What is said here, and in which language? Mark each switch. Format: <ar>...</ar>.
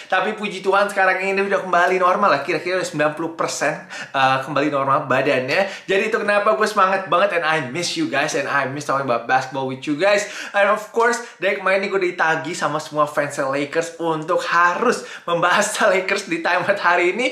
<id>Tapi puji Tuhan sekarang ini udah kembali normal lah, kira-kira udah 90% kembali normal badannya. Jadi itu kenapa gue semangat banget</id> <en>and I miss you guys</en> <id>and I miss talking about basketball with you guys.</id> <en>And of course,</en> <id>dari kemarin ini gue ditagi sama semua fans Lakers untuk harus membahas Lakers di Time Out hari ini.</id>